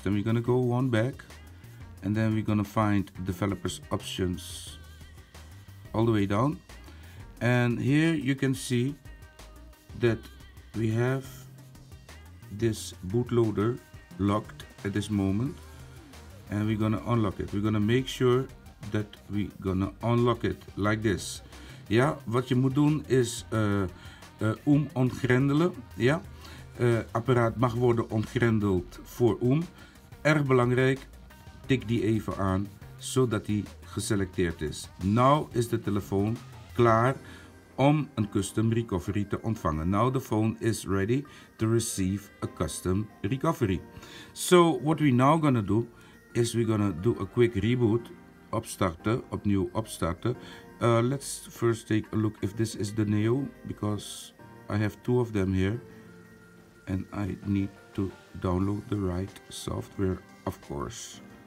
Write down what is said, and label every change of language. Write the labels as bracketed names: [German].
[English] Then we're gonna go one back and then we're gonna find developers options all the way down, and here you can see that we have this bootloader locked at this moment, and we're gonna unlock it. We're gonna make sure that we gonna unlock it like this. [Dutch] Ja, wat je moet doen is ontgrendelen. Ja, apparaat mag worden ontgrendeld voor Erg belangrijk, tik die even aan zodat die geselecteerd is. Nou is de telefoon klaar om een custom recovery te ontvangen. [English] Now the phone is ready to receive a custom recovery. So what we now gonna do is we gonna do a quick reboot, [Dutch] opstarten, opnieuw opstarten. [English] Let's first take a look if this is the Neo, because I have two of them here and I need to download the right software, of course.